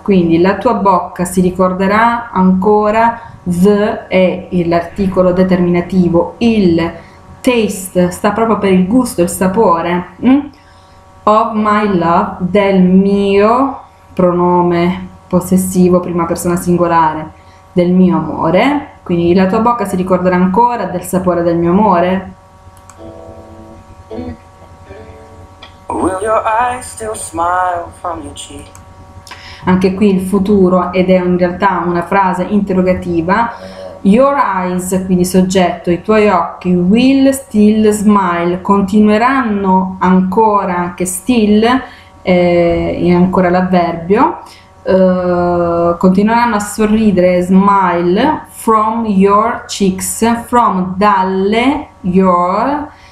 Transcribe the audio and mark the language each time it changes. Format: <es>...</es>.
<it>Quindi la tua bocca si ricorderà ancora, the è l'articolo determinativo, il taste sta proprio per il gusto, il sapore,</it> <en>of my love,</en> <it>del mio pronome possessivo, prima persona singolare, del mio amore, quindi la tua bocca si ricorderà ancora del sapore del mio amore.</it> <en>Will your eyes still smile from your cheek?</en> <it>Anche qui il futuro, ed è in realtà una frase interrogativa,</it> <en>your eyes,</en> <it>quindi soggetto, i tuoi occhi,</it> <en>will still smile,</en> <it>continueranno ancora, anche still, è ancora l'avverbio, continueranno a sorridere, smile,</it> <en>from your cheeks,</en> <it>from, dalle, your,</it>